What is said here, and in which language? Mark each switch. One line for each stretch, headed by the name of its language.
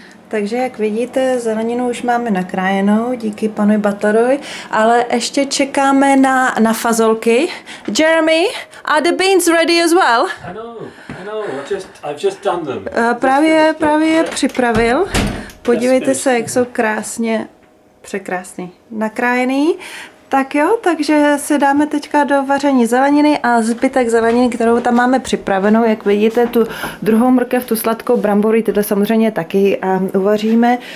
Czech: Takže jak vidíte, zeleninu už máme nakrájenou díky panu Butlerovi, ale ještě čekáme na fazolky.
English: Jeremy, are the beans ready as well? I know. I've just done them.
Czech: Právě je připravil. Podívejte se, jak jsou krásně, překrásný, nakrájený. Tak jo, takže si dáme teďka do vaření zeleniny a zbytek zeleniny, kterou tam máme připravenou, jak vidíte, tu druhou mrkev, tu sladkou brambory, tyto samozřejmě taky uvaříme.